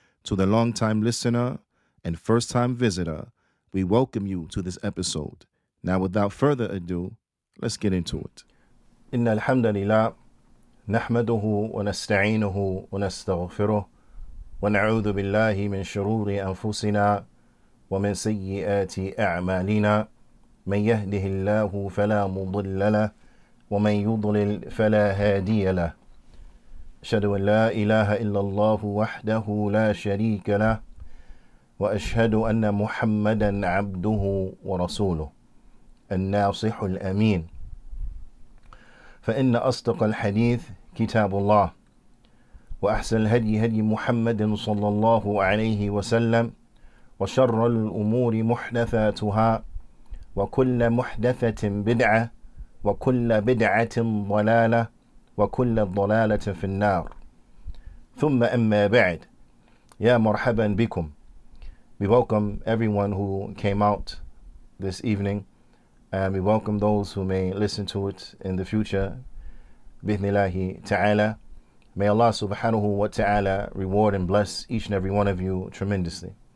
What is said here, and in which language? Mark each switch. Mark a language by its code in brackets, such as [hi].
[en] To the long-time listener and first-time visitor, we welcome you to this episode. Now, without further ado, let's get into it. [ar] Inna alhamdulillah, nahmaduhu wa nasta'inuhu wa nasta'ghfiruhu wa na'udhu billahi min shururi anfusina wa min sayyi'ati a'malina man yahdihillahu fala mudillala ومن يضلل فلا هادي له أشهد أن لا إله إلا الله وحده لا شريك له وأشهد أن محمدا عبده ورسوله الناصح الأمين فإن أصدق الحديث كتاب الله وأحسن الهدي هدي محمد صلى الله عليه وسلم وشر الأمور محدثاتها وكل محدثة بدعة وَكُلَّ بِدْعَةٍ ضَلَالَةٍ وَكُلَّ ضَلَالَةٍ فِي النَّارِ ثُمَّ أَمَّا بَعْدْ يَا مَرْحَبًا بِكُمْ. [en] We welcome everyone who came out this evening, and we welcome those who may listen to it in the future, [ar] بِإِذْنِ اللَّهِ تَعَالَى. [en] May Allah subhanahu wa ta'ala reward and bless each and every one of you tremendously.